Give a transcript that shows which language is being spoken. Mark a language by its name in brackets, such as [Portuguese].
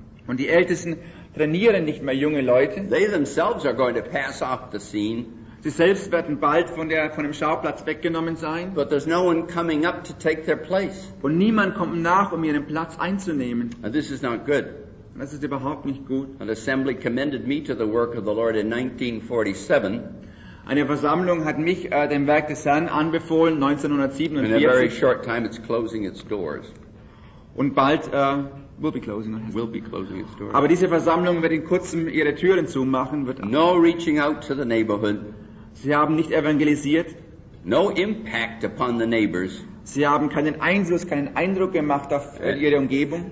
[German] Und die Ältesten trainieren nicht mehr junge Leute. [English] They themselves are going to pass off the scene. [German] Sie selbst werden bald von dem Schauplatz weggenommen sein. [English] But there's no one coming up to take their place. [German] Und niemand kommt nach, um ihren Platz einzunehmen. [English] And this is not good. [German] Und das ist überhaupt nicht gut. [English] An assembly commended me to the work of the Lord in 1947. [German] Eine Versammlung hat mich dem Werk des Herrn anbefohlen, 1947. [English] In a very short time it's closing its doors. [German] Und bald [English] will be closing, it will be closing its doors. [German] Aber diese Versammlung wird in kurzem ihre Türen zumachen. Wird [English] no reaching out to the neighborhood. [German] Sie haben nicht evangelisiert. [English] No impact upon the neighbors. [German] Sie haben keinen Einfluss, keinen Eindruck gemacht auf ihre Umgebung.